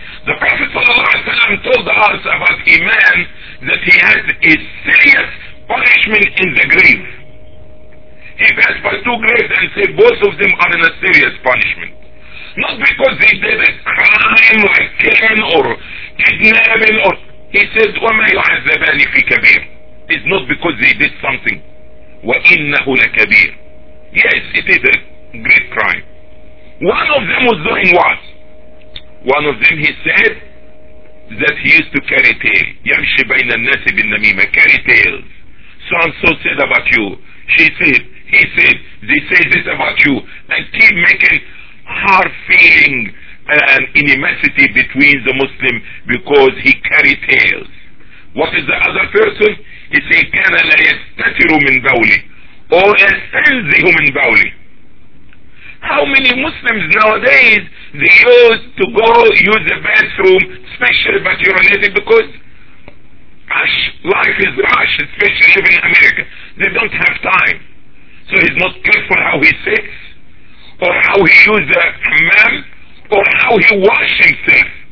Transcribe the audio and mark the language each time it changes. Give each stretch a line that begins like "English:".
English: The Prophet sallallahu alaihi wasallam told us about Iman that he has a serious punishment in the grave. He passed by 2 graves and said both of them are in a serious punishment. Not because they did a crime like killing or kidnapping or... He said,
Arabic: وَمَا يُعَذَّبَانِ فِي كَبِيرٍ.
English: It's not because they did something.
Arabic: وَإِنَّهُ لَكَبِيرٌ.
English: Yes, it is a great crime. One of them was doing what? One of them, he said, that he used to carry tail.
Arabic: يَمْشِ بَيْنَ النَّاسِ بِالنَّمِيمَةِ.
English: Carry tails. So and so said about you. She said, he said, they say this about you. And keep making hard feeling and animosity between the Muslim because he carry tails. What is the other person? He said,
Arabic: كَانَ لَا يَسْتَتِرُ مِنْ بَوْلِ. Or يَسْتَنْزِهُ مِنْ بَوْلِ.
English: How many Muslims nowadays they choose to go use the bathroom, especially but you're lazy because rush, life is rush, especially even in America. They don't have time. So he's not careful how he sits, or how he uses the hammam, or how he washes himself.